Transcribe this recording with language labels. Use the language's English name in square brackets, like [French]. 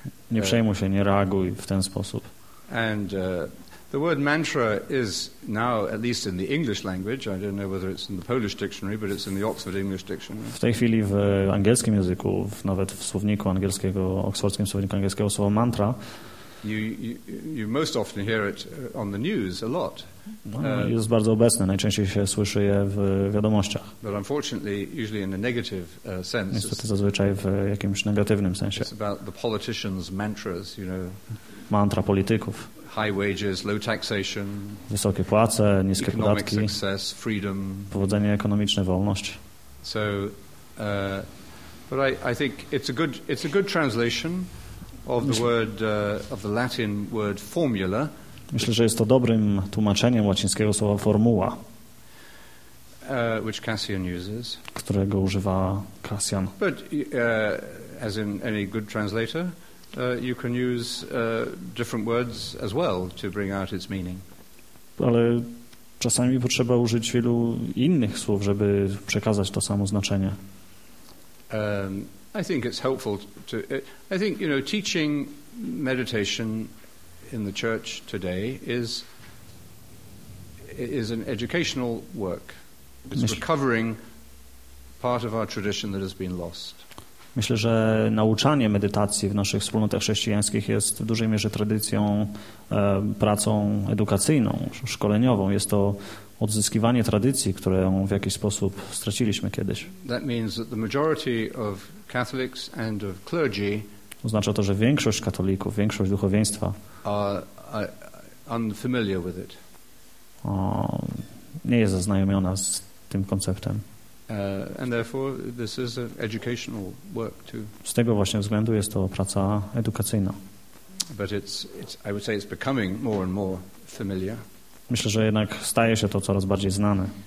[Polish] Nie przejmuj się, nie reaguj w ten sposób. [English] And the word mantra is now, at least in the English language, I don't know whether it's in the Polish dictionary, but it's in the Oxford English dictionary. [Polish] W tej chwili w angielskim języku, nawet w słowniku angielskiego, oksfordzkim słowniku angielskiego, słowo mantra. [English] You most often hear it on the news a lot. [Polish] Jest bardzo obecne. Najczęściej się słyszy je w wiadomościach. [English] But unfortunately, usually in a negative sense. [Polish] Niestety zazwyczaj w jakimś negatywnym sensie. [English] It's about the politicians' mantras, you know. [Polish] Mantra polityków. [English] High wages, low taxation. [Polish] Wysokie płace, niskie podatki. [English] Economic success, freedom. [Polish] Powodzenie ekonomiczne, wolność. [English] So, but I think it's a good translation of the word of the Latin word formula. [Polish] Myślę, że jest to dobrym tłumaczeniem łacińskiego słowa formuła, [English] which Cassian uses. [Polish] Którego używa Cassian. [English] But as in any good translator, you can use different words as well to bring out its meaning. [Polish] Ale czasami potrzeba użyć wielu innych słów, żeby przekazać to samo znaczenie. [English] I think it's helpful to. I think, you know, teaching meditation in the church today is an educational work. It's recovering part of our tradition that has been lost. [Polish] Myślę, że nauczanie medytacji w naszych wspólnotach chrześcijańskich jest w dużej mierze tradycją, pracą edukacyjną, szkoleniową. Jest to odzyskiwanie tradycji, którą w jakiś sposób straciliśmy kiedyś. [English] That means that the majority of Catholics and of clergy [Polish] oznacza to, że większość katolików, większość duchowieństwa [English] are unfamiliar with it. [Polish] Nie jest zaznajomiona z tym konceptem. [English] And therefore this is an educational work too. [Polish] Z tego właśnie względu jest to praca edukacyjna. [English] But it's I would say it's becoming more and more familiar. [Polish] Myślę, że jednak staje się to coraz bardziej znane.